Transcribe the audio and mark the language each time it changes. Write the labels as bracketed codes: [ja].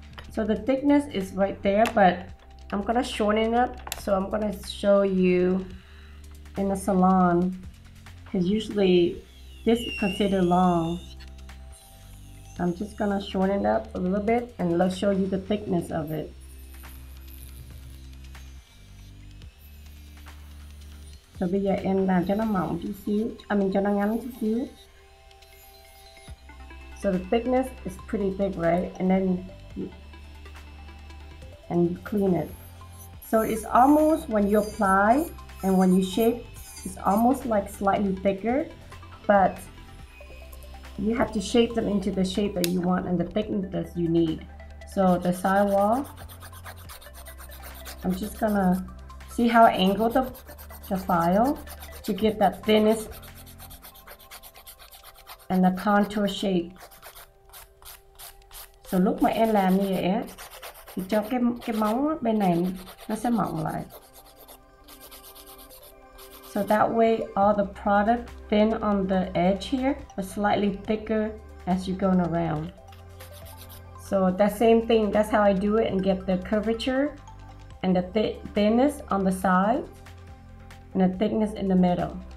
[en] So the thickness is right there, but I'm gonna shorten it up. So I'm gonna show you in the salon, because usually this is considered long. I'm just gonna shorten it up a little bit and let's show you the thickness of it. [vi] So bây giờ em làm cho nó mỏng chút xíu, [en] I mean [vi] cho nó ngắn chút xíu. [en] So the thickness is pretty big, right? And then you clean it. So it's almost, when you apply and when you shape, it's almost like slightly thicker, but you have to shape them into the shape that you want and the thickness that you need. So the side wall, I'm just gonna see how I angle the file to get that thinnest and the contour shape. [vi] So lúc mà em làm như vậy á, thì cho cái móng bên này nó sẽ mỏng lại. [en] So that way all the product thin on the edge here but slightly thicker as you're going around. So that same thing, that's how I do it and get the curvature and the thinness on the side and the thickness in the middle.